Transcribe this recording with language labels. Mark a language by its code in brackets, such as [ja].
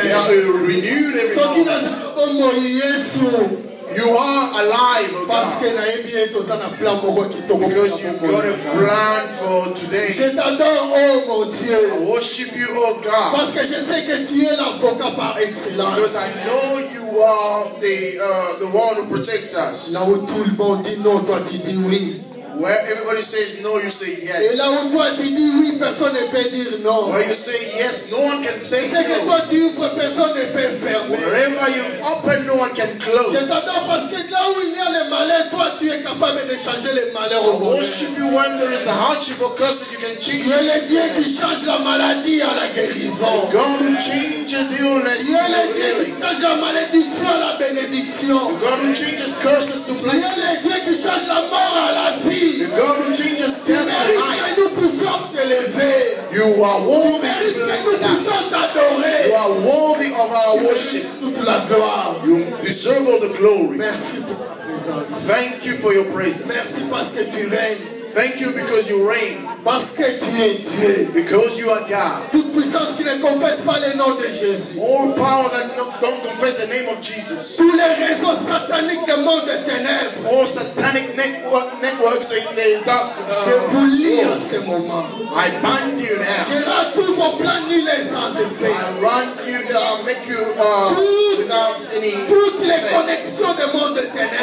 [en] They are renewed every morning. You are alive, oh God. [fr] Parce que [ln] na yebi eto zana plan moko kitoko. [en] Because you got a plan for today. [fr] Je t'adore, oh mon Dieu. [en] I worship you, oh God. [fr] Parce que je sais que tu es l'avocat par excellence. [en] Because I know you are the one who protects us. [fr] Là où tout le monde dit non, toi tu dis oui. [en] Where everybody says no, you say yes. [fr] Et là où toi tu dis oui, personne ne peut dire non. [en] Where you say yes, no one can say no. [fr] C'est que toi tu ouvres, personne ne peut fermer. [en] Wherever you open, no one can close. [fr] Je t'adore parce que là où il y a le malheur, toi tu es capable de changer le malheur au [en] bonheur. I worship you when there is a hardship or curse, you can change. [fr] Tu es le Dieu qui change la maladie à la guérison. [en] God who changes illness. [fr] Tu es le Dieu qui change la malédiction à la bénédiction. [en] God who changes curses to blessings. [fr] Tu es le Dieu qui change la mort à la vie. [en] The God who changes death and life. You are worthy to adore. You are worthy of our worship. You deserve all the glory. [fr] Merci pour ta présence. [en] Thank you for your presence. [fr] Merci parce que tu règnes. [en] Thank you because you reign. [fr] Parce que tu es Dieu. [en] Because you are God. [fr] Toute puissance qui ne confesse pas le nom de Jésus. [en] All power that don't confess the name of Jesus. [fr] Tous les réseaux sataniques du monde des ténèbres. [en] All satanic networks in the dark. [fr] Je vous lis en ce moment. [en] I ban you now. [fr] Je rends tous vos plans nuls sans effet. [en] I run you, make you without any. [fr] Toutes les connexions du monde des ténèbres.